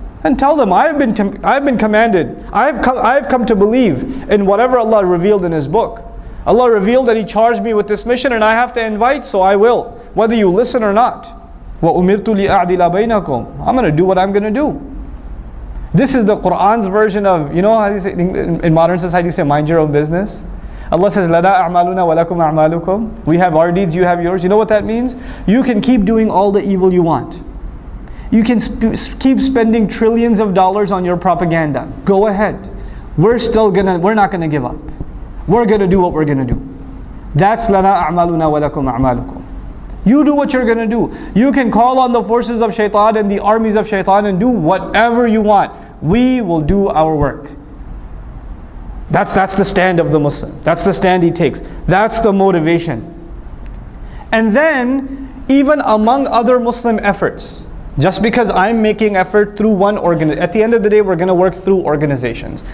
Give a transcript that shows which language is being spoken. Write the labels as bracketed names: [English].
[English] And tell them, I've been commanded. I've come to believe in whatever Allah revealed in His book. Allah revealed that He charged me with this mission and I have to invite, so I will. Whether you listen or not. [Arabic] وَأُمِرْتُ لِأَعْدِلَ بَيْنَكُمْ. [English] I'm going to do what I'm going to do. This is the Quran's version of, you know how you say, in modern society you say, mind your own business. Allah says, [Arabic] لَنَا أَعْمَالُنَا وَلَكُمْ أَعْمَالُكُمْ. [English] We have our deeds, you have yours. You know what that means? You can keep doing all the evil you want. You can keep spending trillions of dollars on your propaganda. Go ahead. We're not gonna give up. We're gonna do what we're gonna do. That's [Arabic] لَنَا أَعْمَالُنَا وَلَكُمْ أَعْمَالُكُمْ. [English] You do what you're gonna do. You can call on the forces of shaitan and the armies of shaitan and do whatever you want. We will do our work. That's the stand of the Muslim. That's the stand he takes. That's the motivation. And then, even among other Muslim efforts, just because I'm making effort through one organization, at the end of the day, we're going to work through organizations.